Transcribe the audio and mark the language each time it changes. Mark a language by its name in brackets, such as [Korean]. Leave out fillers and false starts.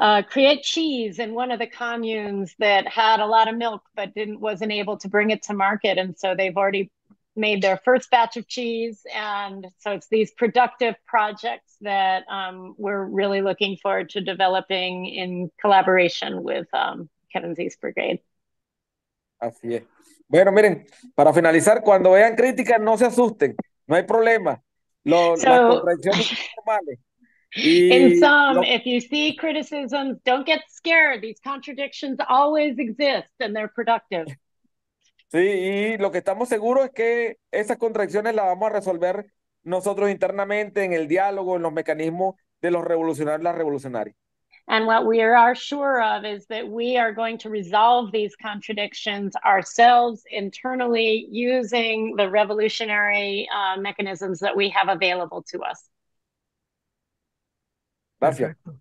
[English] create cheese in one of the communes that had a lot of milk but wasn't able to bring it to market, and so they've already made their first batch of cheese, and so it's these productive projects that we're really looking forward to developing in collaboration with Kevin Z's Brigade. [Spanish] Así es. Bueno, miren, para finalizar, cuando vean críticas, no se asusten. No hay problema. Las contradicciones son normales. [English] In sum, if you see criticisms, don't get scared. These contradictions always exist and they're productive. [Spanish] Sí, y lo que estamos seguros es que esas contradicciones las vamos a resolver nosotros internamente en el diálogo, en los mecanismos de los revolucionarios y las revolucionarias. [English] And what we are sure of is that we are going to resolve these contradictions ourselves internally using the revolutionary mechanisms that we have available to us. [Spanish] Gracias.